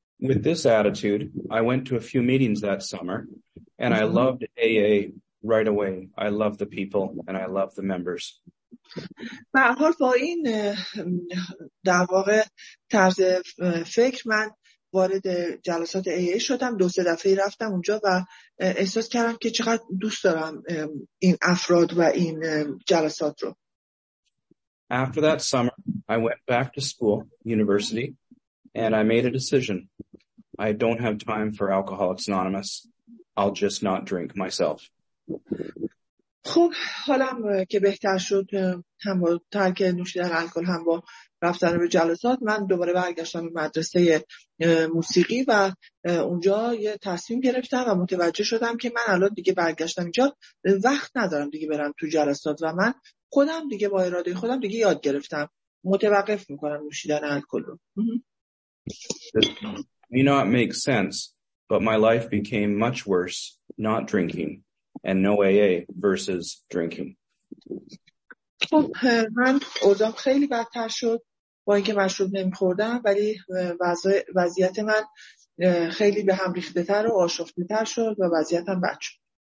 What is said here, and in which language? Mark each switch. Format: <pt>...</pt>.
<en>With this attitude, I went to a few meetings that summer and I loved AA right away. I loved the people and I loved the members.</en> <fa>به هر حال با این در واقع طرز فکر من وارد جلسات AA شدم. دو سه دفعه رفتم اونجا و احساس کردم که چقدر دوست دارم این افراد و این جلسات رو.</fa> <en>After that summer, I went back to school, university, and I made a decision. I don't have time for Alcoholics Anonymous. I'll just not drink myself.</en> <fa>خب حالا که بهتر شد هم با ترک نوشیدن الکل هم با رفتن به جلسات من دوباره برگشتم به مدرسه موسیقی و اونجا یه تصمیم گرفتم و متوجه شدم که من الان دیگه برگشتم اینجا وقت ندارم دیگه برم تو جلسات و من خودم دیگه با اراده خودم دیگه یاد گرفتم متوقف میکنم نوشیدن الکل رو.</fa> <en>May not make sense, but my life became much worse not drinking and no AA versus drinking.</en> <fa>من اوضاعم خیلی بدتر شد با اینکه مشروب نمیخوردم ولی وضعیت من خیلی به هم ریخته‌تر و آشفته‌تر شد و وضعیتم بد شد.</fa>